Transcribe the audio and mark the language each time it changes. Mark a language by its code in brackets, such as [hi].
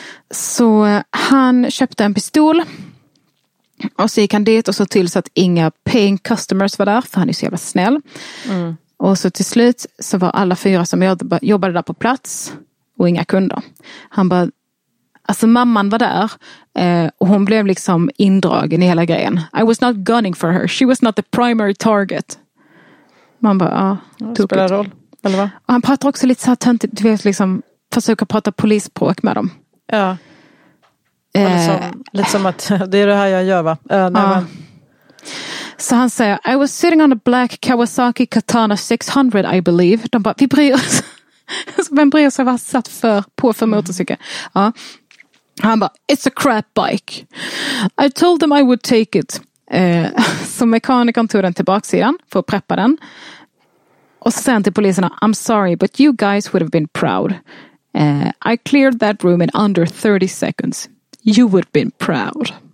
[sv] Så han köpte en pistol och så gick han dit och så till så att inga [en] paying customers [sv] var där, för han är så jävla snäll. Mm. Och så till slut så var alla 4 som jobbade där på plats och inga kunder. Han bara, alltså mamman var där och hon blev liksom indragen i hela grejen. [en] I was not gunning for her. She was not the primary target. [sv] Man bara, det spelar roll, eller va? Och han pratar också lite så här töntigt, du vet, liksom försöka prata polispråk med dem. Ja. Lite som att det är det här jag gör, va? [en] Så han säger, I was sitting on a black Kawasaki Katana 600, I believe. [sv] De bara, vi bryr oss. Vem bryr sig vad han satt för motorcykeln? Ja. Han bara, [en] it's a crap bike. I told them I would take it. [sv] Så mekanikern tog den till baksidan för att preppa den. Och sen till poliserna, [en] I'm sorry, but you guys would have been proud. I cleared that room in under 30 seconds. You would have been proud.